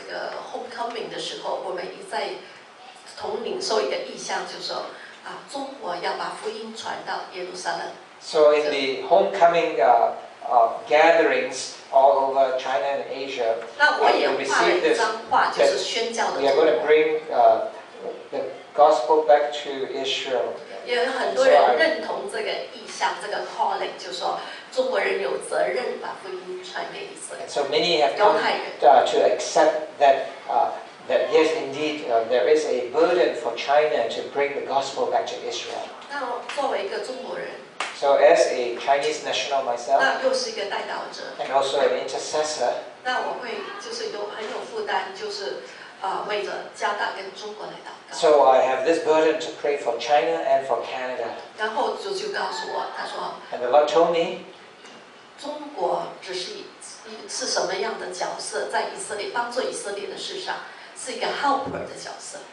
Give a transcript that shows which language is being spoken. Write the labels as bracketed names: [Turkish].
[Chinese] 这个 homecoming 的时候，我们一再同领受一个意向，就是说啊，中国要把福音传到耶路撒冷。 [English] So in the homecoming gatherings all over China and Asia, we receive this. We are going to bring the gospel back to Israel. [Chinese] 也有很多人认同这个意向，这个 calling， 就说中国人有责任把福音传给以色列。 [English] So many have come to accept that that yes, indeed, there is a burden for China to bring the gospel back to Israel. [Chinese] 那作为一个中国人。 [English] So as a Chinese national myself, [Chinese] 那又是一个代祷者 [English] and also an intercessor, [Chinese] 那我会就是有很有负担，就是为着加大跟中国来祷告。 [English] So I have this burden to pray for China and for Canada. [Chinese] 然后主就告诉我，他说 [English] And the Lord told me, [Chinese] 中国只是什么样的角色，在以色列帮助以色列的事上，是一个 helper 的角色。